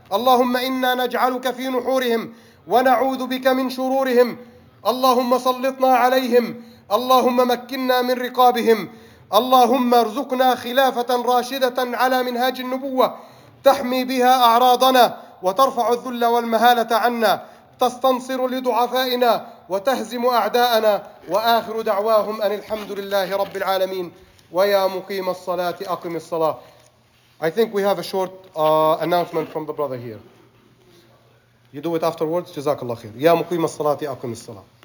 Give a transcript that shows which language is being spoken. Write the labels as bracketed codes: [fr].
[ar] اللهم إنا نجعلك في نحورهم ونعوذ بك من شرورهم، اللهم سلطنا عليهم، اللهم مكننا من رقابهم، اللهم ارزقنا خلافة راشدة على منهاج النبوة تحمي بها أعراضنا وترفع الذل والمهالة عنا، تستنصر لضعفائنا وتهزم أعداءنا. وآخر دعواهم أن الحمد لله رب العالمين. ويا مقيم الصلاة أقم الصلاة. [en] I think we have a short announcement from the brother here. You do it afterwards. [ar] Jazakallah khair. يا مقيم الصلاة أقم الصلاة.